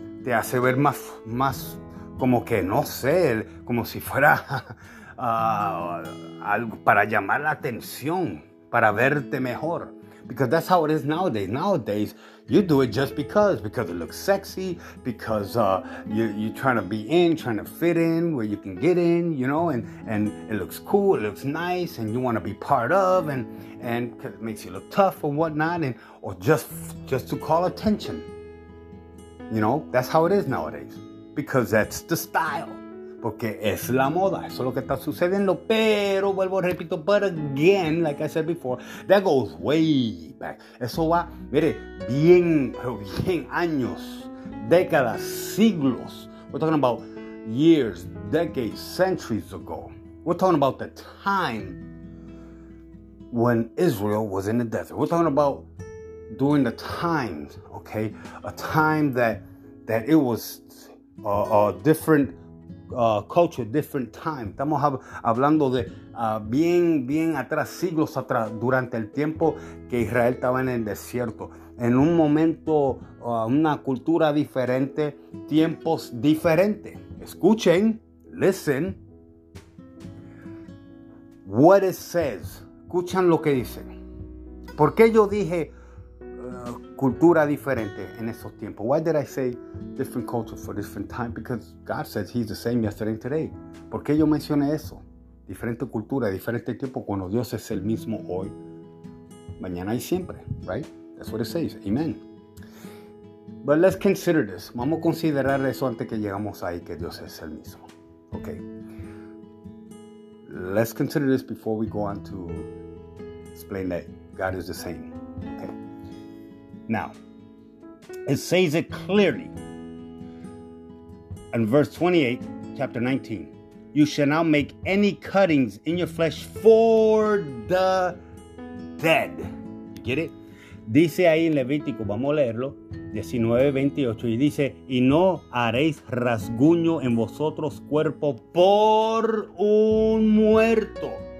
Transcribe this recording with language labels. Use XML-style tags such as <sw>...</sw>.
<es>Te hace ver más como que, no sé, como si fuera algo para llamar la atención. Para verte mejor.</es> <en>Because that's how it is nowadays. Nowadays, you do it just because it looks sexy, because you're trying to be in, trying to fit in where you can get in, you know, and it looks cool, it looks nice, and you want to be part of, and cause it makes you look tough or whatnot, and or just to call attention. You know, that's how it is nowadays, because that's the style.</en> <es>Porque es la moda, eso es lo que está sucediendo. Pero vuelvo, repito,</es> <en>but again, like I said before, that goes way back.</en> <es>Eso va, mire, bien, pero bien años, décadas, siglos.</es> <en>We're talking about years, decades, centuries ago. We're talking about the time when Israel was in the desert. We're talking about during the times, okay? A time that it was different. Culture, different time.</en> <es>Estamos hablando de bien atrás, siglos atrás, durante el tiempo que Israel estaba en el desierto. En un momento, una cultura diferente, tiempos diferentes. Escuchen,</es> <en>listen. What it says.</en> <es>Escuchan lo que dicen. ¿Por qué yo dije cultura diferente en esos tiempos?</es> <en>Why did I say different culture for different time? Because God says He's the same yesterday and today.</en> <es>¿Por qué yo mencioné eso? Diferente cultura, diferente tiempo, cuando Dios es el mismo hoy, mañana y siempre,</es> <en>right? That's what it says. Amen. But let's consider this.</en> <es>Vamos a considerar eso antes que llegamos ahí, que Dios es el mismo.</es> <en>Okay. Let's consider this before we go on to explain that God is the same. Okay. Now, it says it clearly in verse 28, chapter 19. You shall not make any cuttings in your flesh for the dead. You get it?</en> <es>Dice ahí en Levítico, vamos a leerlo, 19:28, y dice, y no haréis rasguño en vosotros cuerpo por un muerto.</es>